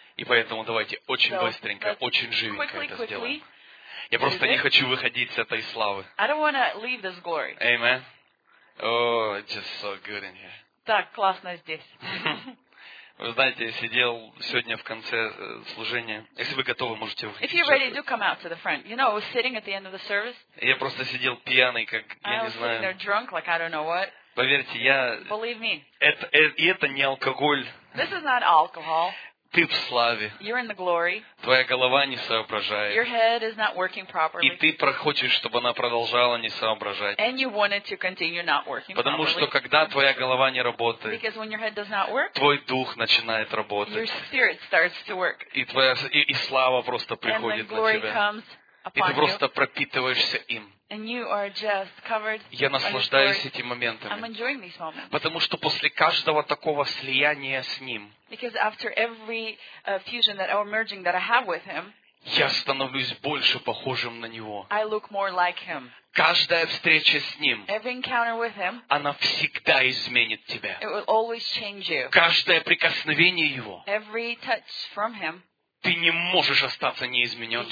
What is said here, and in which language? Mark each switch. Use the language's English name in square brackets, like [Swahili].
[Russian] И поэтому давайте очень быстренько, очень живенько это сделаем. Я просто не хочу выходить с этой славы. [English] I don't want to leave this glory. Amen. Oh, it's just so good in here. [Russian] Так, классно здесь. Вы знаете, я сидел сегодня в конце служения. Если вы готовы, можете выйти. [English] If you're ready, do come out to the front. You know, I was sitting at the end of the service. [Russian] Я просто сидел пьяный, как я не знаю. [English] I was sitting there drunk, like I don't know what. [Russian] Поверьте, я. [English] Believe me. [Russian] Это не алкоголь. [English] This is not alcohol. [Russian] Ты в славе. [English] You're in the glory. [Russian] Твоя голова не соображает. [English] Your head is not working properly. [Russian] И ты хочешь, чтобы она продолжала не соображать. [English] And you want it to continue not working properly. [Russian] Потому что когда твоя голова не работает, [English] because when your head does not work, [Russian] твой дух начинает работать. [English] Your spirit starts to work. [Russian] И слава просто приходит на тебя. [English] And the glory comes upon you. [Russian] И ты просто пропитываешься им. [English] And you are just covered. [Russian] Я наслаждаюсь этим моментом. [English] I'm enjoying these moments. [Russian] Потому что после каждого такого слияния с ним. [English] Because after every fusion that or merging that I have with him. [Russian] Я становлюсь больше похожим на него. [English] I look more like him. [Russian] Каждая встреча с ним, [English] every encounter with him, [Russian] она всегда изменит тебя. [English] It will always change you. [Russian] Каждое прикосновение его, [English] every touch from him, [Russian] ты не можешь остаться неизмененным.